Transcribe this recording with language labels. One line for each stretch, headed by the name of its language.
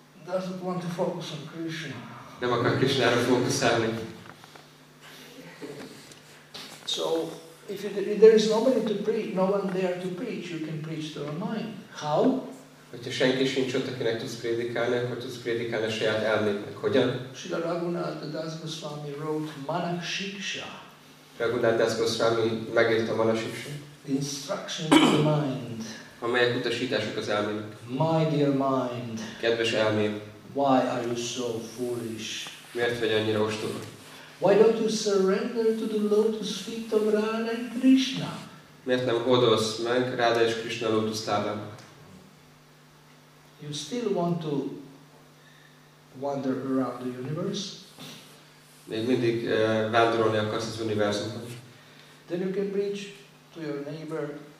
English: Doesn't want to focus on Krishna.
Hungarian: Nem akar Krishnára fókuszálni.
English: So, if there is nobody to preach, no one there to preach, you can preach to your mind. How?
Hungarian: Hogyha senki sincs ott, akinek tudsz prédikálni, akkor tudsz prédikálni a saját elmédnek. Hogyan?
English: Srila Raghunath Das Goswami wrote Manak Shiksha.
Hungarian: Raghunath Das Goswami megírta Manak Shiksha.
English: Instruction to the mind.
Hungarian: Amelyek utasítások az elmének.
English: My dear mind.
Hungarian: Kedves elmém.
English: Why are you so foolish?
Hungarian: Miért vagy annyira ostoba?
English: Why don't you surrender to the lotus feet of Radha and Krishna?
Hungarian: Miért nem hódolsz meg Radha és Krishna lotus lábába?
English: You still want to wander around the universe?
Hungarian: Még mindig vándorolni akarsz az univerzumban.
English: Then you can preach to your neighbor.